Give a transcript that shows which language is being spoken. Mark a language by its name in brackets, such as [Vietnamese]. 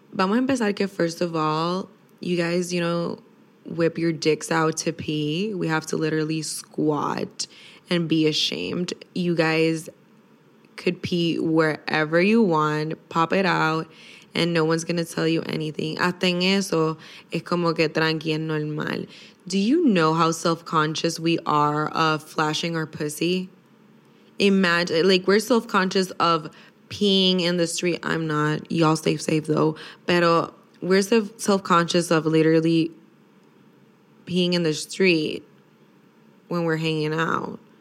[Spanish] Vamos a empezar que [English] first of all, you guys, you know, whip your dicks out to pee. We have to literally squat and be ashamed. You guys could pee wherever you want, pop it out, and no one's gonna tell you anything. [Spanish] Hasta en eso, es como que tranqui en normal. [English] Do you know how self-conscious we are of flashing our pussy? Imagine, like, we're self-conscious of peeing in the street. I'm not. Y'all safe though. [Spanish] Pero [English] we're self-conscious of literally peeing in the street when we're hanging out.